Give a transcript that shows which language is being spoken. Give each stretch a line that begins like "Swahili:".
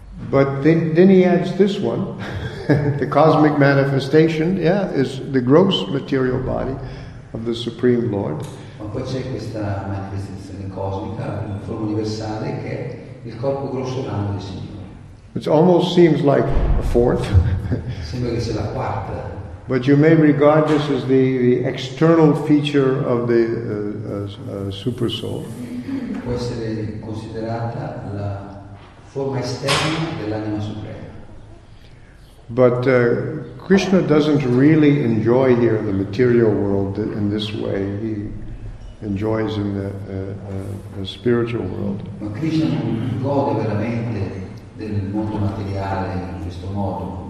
English: But then he adds this one, the cosmic manifestation, is the gross material body of the Supreme Lord.
Italian: Ma poi c'è questa manifestazione cosmica, in forma universale, che è il corpo grosso grande del Signore.
English: It almost seems like a fourth.
Italian: Sembra che sia la quarta.
English: But you may regard this as the external feature of the super soul.
Italian: Può essere considerata la forma esterna dell'anima suprema.
English: But Krishna doesn't really enjoy here the material world in this way. He enjoys in the spiritual world.
Italian: Ma Krishna non gode veramente del mondo materiale in questo modo.